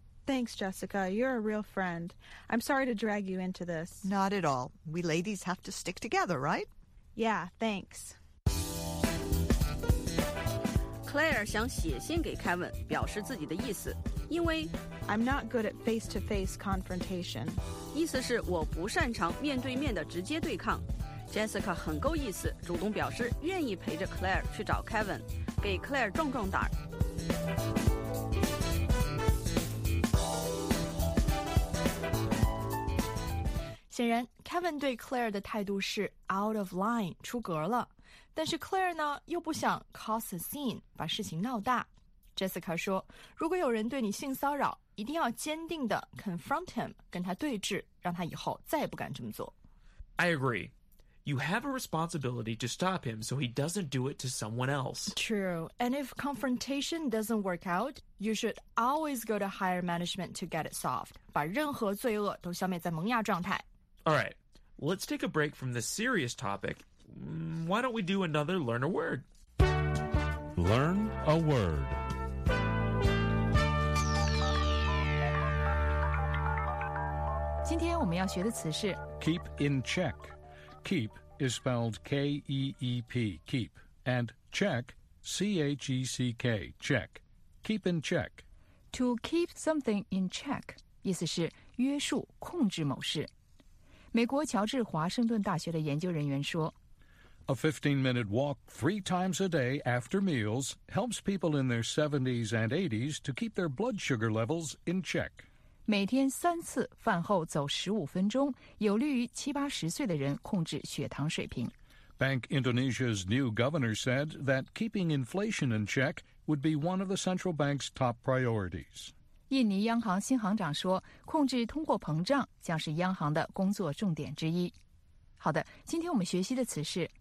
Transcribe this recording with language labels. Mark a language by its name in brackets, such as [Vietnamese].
[English] Thanks, Jessica. You're a real friend. I'm sorry to drag you into this. Not at all. We ladies have to stick together, right? Yeah, thanks. [Chinese] Claire 想写信给 Kevin 表示自己的意思，因为 [English] I'm not good at face-to-face confrontation. [Chinese] 意思是我不擅长面对面的直接对抗。 Jessica 很够意思，主动表示愿意陪着 Claire 去找 Kevin， 给 Claire 壮壮胆。显然 Kevin 对 Claire 的态度是 [English] out of line， [Chinese] 出格了。但是 Claire 呢又不想 [English] cause a scene， [Chinese] 把事情闹大。 Jessica 说，如果有人对你性骚扰，一定要坚定地 [English] confront him， [Chinese] 跟他对峙，让他以后再也不敢这么做。 [English] I agree. You have a responsibility to stop him so he doesn't do it to someone else. True. And if confrontation doesn't work out, you should always go to higher management to get it solved， [Chinese] 把任何罪恶都消灭在萌芽状态。 [English] All right, let's take a break from the serious topic. Why don't we do another Learn a Word? Learn a Word. Today, we're going to learn the word keep in check. Keep is spelled K-E-E-P, keep, and check, C-H-E-C-K, check. Keep in check. To keep something in check, [Chinese] 意思是约束、控制某事。美国乔治华盛顿大学的研究人员说 [English] A 15-minute walk three times a day after meals helps people in their 70s and 80s to keep their blood sugar levels in check. [Chinese] 每天三次饭后走15分钟有利于七八十岁的人控制血糖水平。 [English] Bank Indonesia's new governor said that keeping inflation in check would be one of the central bank's top priorities. [Chinese] 印尼央行新行长说，控制通货膨胀将是央行的工作重点之一。好的，今天我们学习的词是